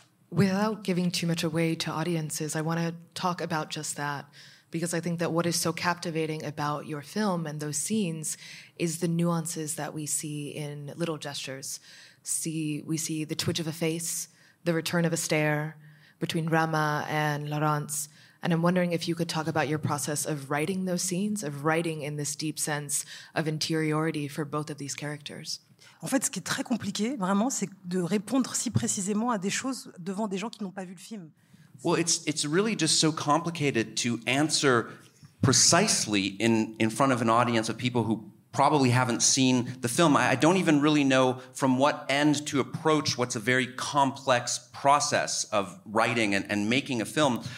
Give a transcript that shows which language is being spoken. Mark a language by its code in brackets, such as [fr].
[en] Without giving too much away to audiences, I want to talk about just that, because I think that what is so captivating about your film and those scenes is the nuances that we see in little gestures. We see the twitch of a face, the return of a stare between Rama and Laurence. And I'm wondering if you could talk about your process of writing those scenes, of writing in this deep sense of interiority for both of these characters. [fr] En fait, ce qui est très compliqué, vraiment, c'est de répondre si précisément à des choses devant des gens qui n'ont pas vu le film. [en] Well, it's really just so complicated to answer precisely in front of an audience of people who probably haven't seen the film. I don't even really know from what end to approach what's a very complex process of writing and making a film.